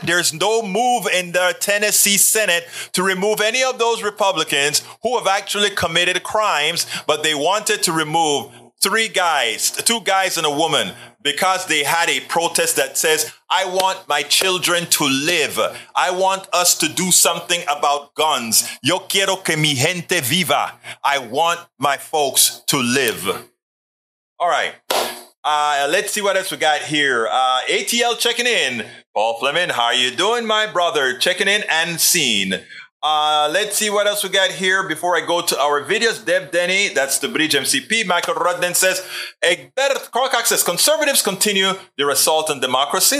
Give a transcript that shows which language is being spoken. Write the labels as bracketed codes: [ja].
[en] There's no move in the Tennessee Senate to remove any of those Republicans who have actually committed crimes, but they wanted to remove 3 guys, 2 guys and a woman, because they had a protest that says, I want my children to live. I want us to do something about guns. [es] Yo quiero que mi gente viva. [en] I want my folks to live. All right. Let's see what else we got here. ATL checking in. Paul Fleming, how are you doing, my brother? Checking in and seen. Let's see what else we got here before I go to our videos. Deb Denny, that's the Bridge MCP. Michael Rudden says, Carl Cox says, conservatives continue their assault on democracy.